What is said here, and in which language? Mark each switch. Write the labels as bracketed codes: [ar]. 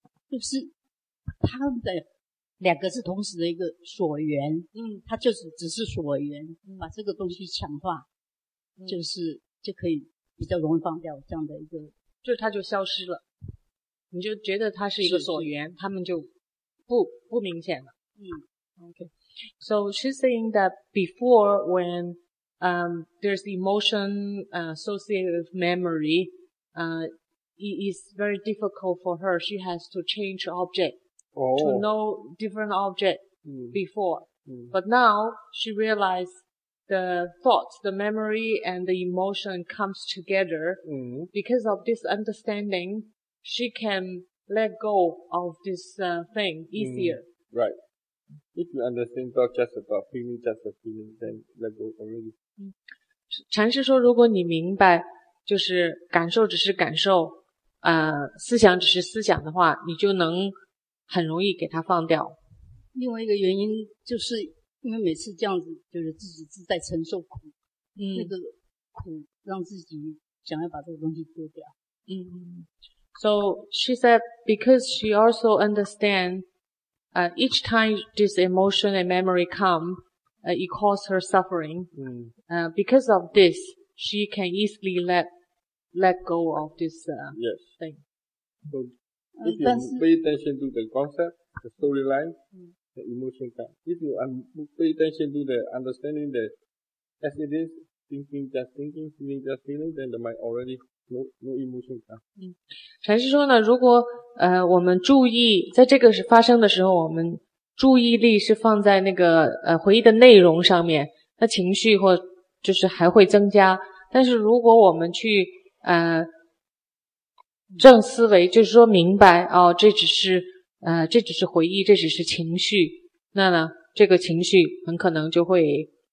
[zh] 就是他们的两个是同时的一个所缘，他就是只是所缘，把这个东西强化，就是就可以比较容易放掉这样的一个，就它就消失了。你就觉得它是一个所缘，他们就不明显了。嗯 [en] ，OK。 So she's saying that before when there's emotion associated with memory, it is very difficult for her. She has to change object to know different object before. But now she realized the thoughts, the memory and the emotion comes together. Because of this understanding, she can let go of this thing easier. Right. If you understand thought just about feeling, just a feeling, then let go already. [zh] 禅师说，如果你明白就是感受只是感受，思想只是思想的话，你就能很容易给它放掉。另外一个原因就是因为每次这样子就是自己自在承受苦，那个苦让自己想要把这个东西丢掉。 [en] So she said because she also understand each time this emotion and memory comeit caused her suffering. Because of this, she can easily let go of this thing. So, if you pay attention to the concept, the storyline, the emotion comes. If you pay attention to the understanding that as it is, thinking just thinking, feeling just feeling, then the mind already no emotion comes. [zh] 禅师说呢，如果我们注意在这个是发生的时候，我们注意力是放在那个回忆的内容上面，那情绪或就是还会增加。但是如果我们去正思维，就是说明白哦，这只是回忆，这只是情绪，那呢这个情绪很可能就会